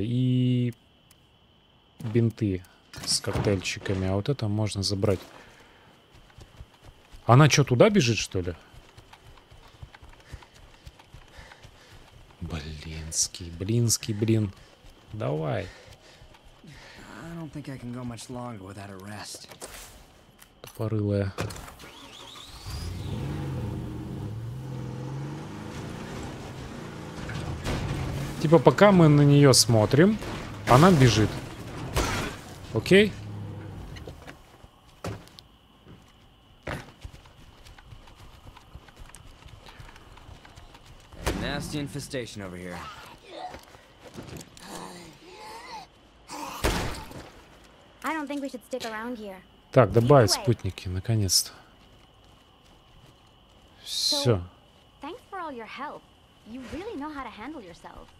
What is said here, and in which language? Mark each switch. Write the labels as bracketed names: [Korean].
[Russian] И бинты с коктейльчиками, а вот это можно забрать. Она что, туда бежит, что ли? Блинский, блинский, блин. Давай. [English] I don't think I can go much longer without a rest. [Russian] Тупорылая. Типа, пока мы на нее смотрим, она бежит. Окей? [English] the infestation over here. I don't think we should stick around here. [Russian] Так, добавить спутники, наконец-то. Все. [English] Thanks for all your help. You really know how to handle yourself.